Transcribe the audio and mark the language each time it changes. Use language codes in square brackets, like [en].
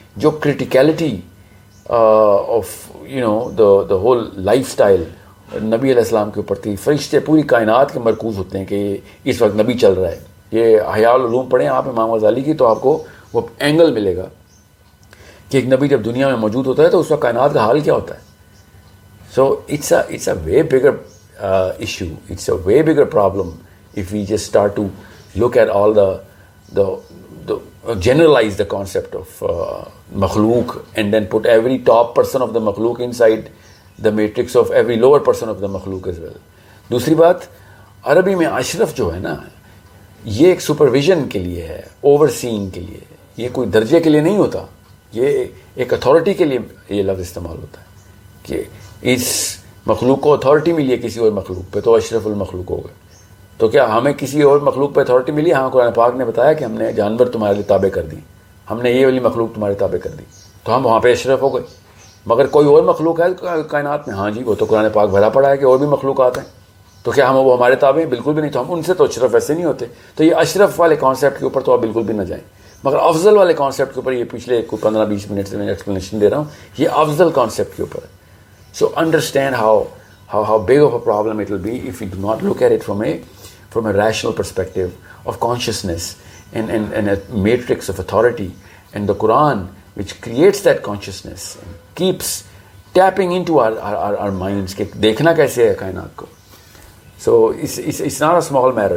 [ur] جو [en] criticality of you know the whole lifestyle [ur] نبی علیہ السلام کے اوپر تھی، فرشتے پوری کائنات کے مرکوز ہوتے ہیں کہ اس وقت نبی چل رہا ہے. یہ حیاء العلوم پڑھیں آپ امام غزالی کی تو آپ کو وہ اینگل ملے گا کہ ایک نبی جب دنیا میں موجود ہوتا ہے تو اس وقت کائنات کا حال کیا ہوتا ہے. [en] So it's a way bigger issue, it's a way bigger problem if we just start to look at all the generalise the concept of مخلوق and then put every top person of the مخلوق inside the matrix of every lower person of the مخلوق as well. [ur] دوسری بات، عربی میں اشرف جو ہے نا یہ ایک سپرویژن کے لیے ہے، اوور سینگ کے لیے، یہ کوئی درجے کے لیے نہیں ہوتا، یہ ایک اتھارٹی کے لیے یہ لفظ استعمال ہوتا ہے کہ اس مخلوق کو اتھارٹی ملی ہے کسی اور مخلوق پہ تو اشرف المخلوق ہو گئے. تو کیا ہمیں کسی اور مخلوق پہ اتھارٹی ملی؟ ہاں، قرآن پاک نے بتایا کہ ہم نے جانور تمہارے لیے تابع کر دی، ہم نے یہ والی مخلوق تمہارے تابع کر دی، تو ہم وہاں پہ اشرف ہو گئے. مگر کوئی اور مخلوق ہے کائنات میں؟ ہاں جی، وہ تو قرآن پاک بھرا پڑا ہے کہ اور بھی مخلوقات ہیں. تو کیا ہم وہ ہمارے تابع ہیں؟ بالکل بھی نہیں. تو ہم ان سے تو اشرف ویسے نہیں ہوتے. تو یہ اشرف والے کانسیپٹ کے اوپر تو آپ بالکل بھی نہ جائیں، مگر افضل والے کانسیپٹ کے اوپر، یہ پچھلے کوئی 15-20 منٹ سے میں ایکسپلینیشن دے رہا ہوں، یہ افضل کانسیپٹ کے اوپر ہے. [en] So understand how big of a problem it will be if you do not look at it from a from a rational perspective of consciousness and a matrix of authority, and the Quran, which creates that consciousness, and keeps tapping into our minds. [ur] Dekhna kaise hai kainat ko. [en] So it's not a small matter.